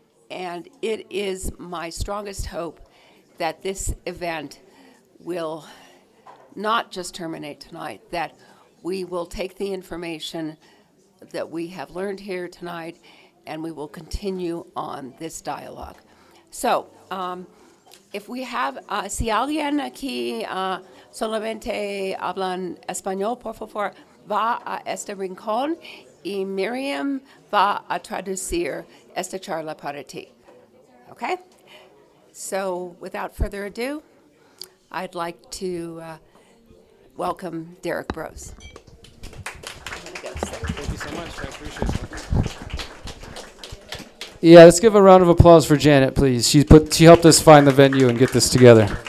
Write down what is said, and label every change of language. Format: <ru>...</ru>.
<en>And it is my strongest hope that this event will not just terminate tonight, that we will take the information that we have learned here tonight and we will continue on this dialogue.</en> <es>So if we have, si alguien aquí solamente hablan español, por favor, va a este rincón y Miriam va a traducir esta charla para ti.</es> <en>Okay? So without further ado, I'd like to welcome Derek Broz. Thank you so much. I appreciate it. Yeah, let's give a round of applause for Janet, please. She helped us find the venue and get this together.</en>